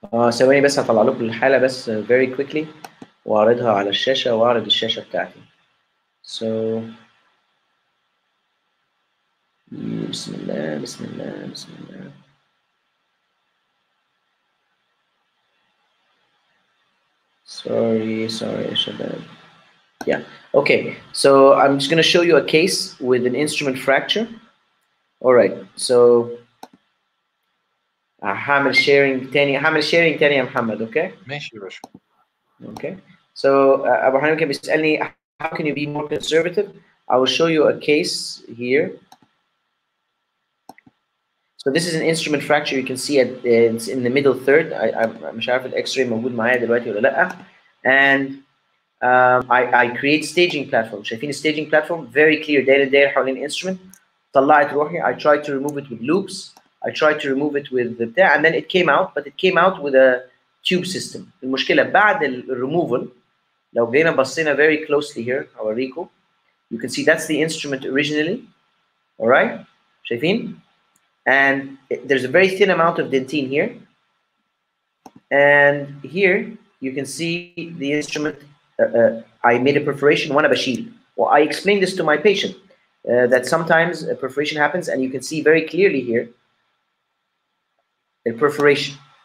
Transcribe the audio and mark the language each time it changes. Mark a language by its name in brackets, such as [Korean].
[Arabic] ثواني بس هطلع لكم الحاله بس [English] very quickly [Arabic] واعرضها على الشاشه واعرض الشاشه بتاعتي. So بسم الله بسم الله بسم الله. Sorry يا شباب. [English] Yeah. Okay. So I'm just going to show you a case with an instrument fracture. All right. [Arabic] So هعمل sharing تاني، هعمل sharing تاني يا محمد، okay؟ ماشي يا باشا. [English] Okay. So أبو حنيفة [Arabic] كان بيسألني [English] how can you be more conservative؟ I will show you a case here. So this is an instrument fracture. You can see it, it's in the middle third. I'm sure if the X-ray [Arabic] موجود معايا دلوقتي ولا لا. [English] And I create staging platform. [Arabic] شايفين [English] staging platform very clear data there [Arabic] حوالين [English] instrument. [Arabic] طلعت روحي. [English] I tried to remove it with loops. I tried to remove it with the and then it came out, but it came out with a tube system. [Arabic] المشكلة بعد الريموفل لو جينا بصينا [English] very closely here [Arabic] أوريكم [English] You can see that's the instrument originally. All right, [Arabic] شايفين? [English] And there's a very thin amount of dentin here. And here you can see the instrument. I made a perforation. [Arabic] وأنا بشيل. [English] Well, I explained this to my patient that sometimes a perforation happens, and you can see very clearly here a perforation.